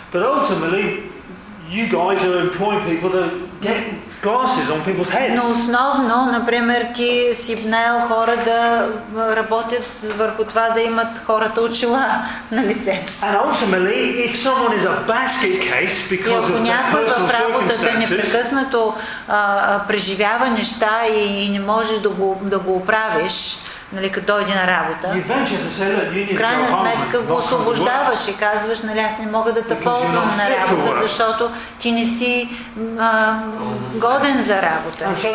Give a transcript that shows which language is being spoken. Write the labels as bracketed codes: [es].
[en] But ultimately, you guys are employing people to get glasses on people's heads. [bg] Но основно, например, ти си наел хора да работят върху това да имат хората очила на лицето си. [en] And ultimately, if someone is a basket case because of their personal [bg] circumstances, ако някой в работата непрекъснато преживява неща и не можеш да го оправиш, нали, като дойде на работа, крайна сметка го освобождаваш и казваш, нали, аз не мога да те ползвам на работа, защото ти не си годен за работа.